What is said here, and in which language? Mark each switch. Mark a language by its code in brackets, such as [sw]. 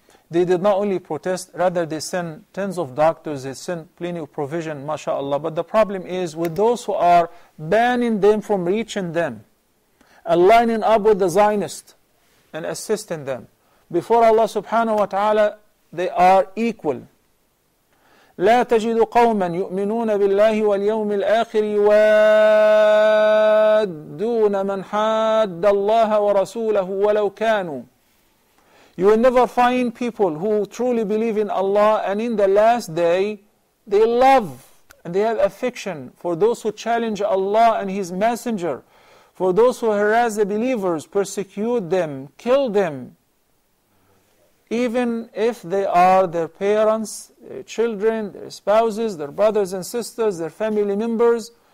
[en] they did not only protest, rather they sent tens of doctors, they sent plenty of provision, mashallah. But the problem is with those who are banning them from reaching them, aligning up with the Zionists and assisting them. Before Allah subhanahu wa ta'ala, they are equal. [ar] لا تجد قوما يؤمنون بالله واليوم الآخر يوادون من حاد الله ورسوله ولو كانوا. [en] You will never find people who truly believe in Allah and in the last day, they love and they have affection for those who challenge Allah and His Messenger, for those who harass the believers, persecute them, kill them, even if they are their parents, their children, their spouses, their brothers and sisters, their family members.